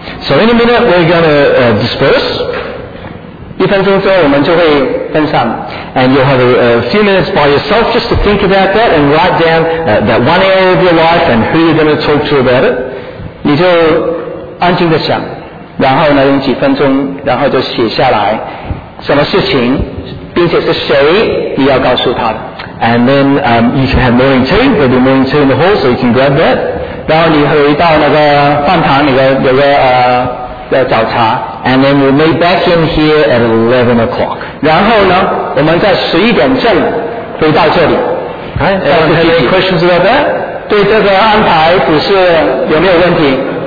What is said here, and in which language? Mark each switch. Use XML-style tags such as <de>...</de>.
<en>So in a minute we're going to disperse</en> <zh>一分钟之后我们就会分散</zh> <en>And you'll have a few minutes by yourself just to think about that and write down that one area of your life and who you're going to talk to about it</en> <zh>你就安静的想然后呢用几分钟然后就写下来什么事情并且是谁你要告诉他的</zh> <en>And then you can have morning tea There'll be morning tea in the hall So you can grab that</en> <zh>然后你回到那个饭堂里的有个早茶</zh> <en>And then we'll meet back in here at 11 o'clock</en> <zh>然后呢我们在11点正回到这里</zh> <en>Okay, anyone have any questions about that?</en> <zh>对这个安排只是有没有问题</zh>